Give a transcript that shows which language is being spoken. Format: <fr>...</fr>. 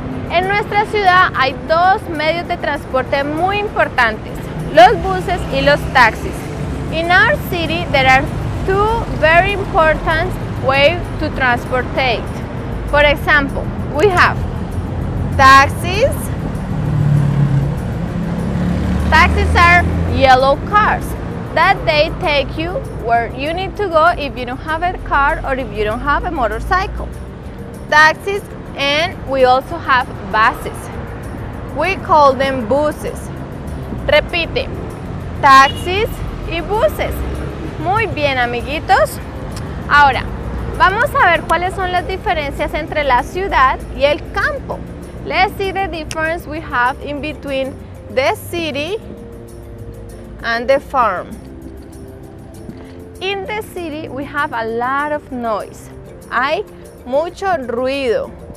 <es>En nuestra ciudad hay dos medios de transporte muy importantes: los buses y los taxis.</es> <en>In our city, there are two very important ways to transportate. For example, we have taxis. Taxis are yellow cars that they take you where you need to go if you don't have a car or if you don't have a motorcycle. Taxis, and we also have buses. We call them buses.</en> <es>Repite, taxis y buses. Muy bien, amiguitos. Ahora, vamos a ver cuáles son las diferencias entre la ciudad y el campo.</es> <en>Let's see the difference we have in between the city and the farm. In the city, we have a lot of noise.</en> <es>Hay mucho ruido.</es>